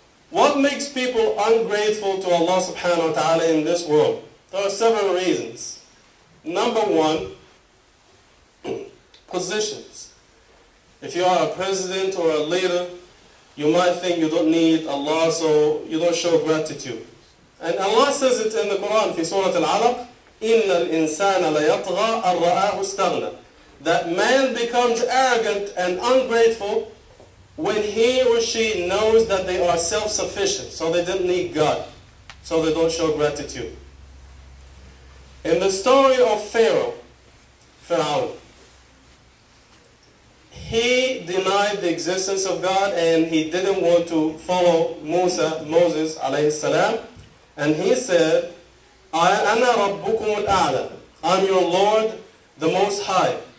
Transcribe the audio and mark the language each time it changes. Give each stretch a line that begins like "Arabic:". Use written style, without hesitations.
English: What makes people ungrateful to Allah subhanahu wa ta'ala in this world? There are several reasons. Number one, positions. If you are a president or a leader, you might think you don't need Allah, so you don't show gratitude. And Allah says it in the Quran,
Arabic: في سورة العلق, إِنَّ الْإِنسَانَ لَيَطْغَى أَرْرَآهُ اسْتَغْنَى.
English: That man becomes arrogant and ungrateful when he or she knows that they are self-sufficient, so they didn't need God, so they don't show gratitude. In the story of Pharaoh, he denied the existence of God and he didn't want to follow Moses alayhi salam, and he said,
Arabic: "Ana rabbukum al-a'la,
English: I'm your Lord, the Most High."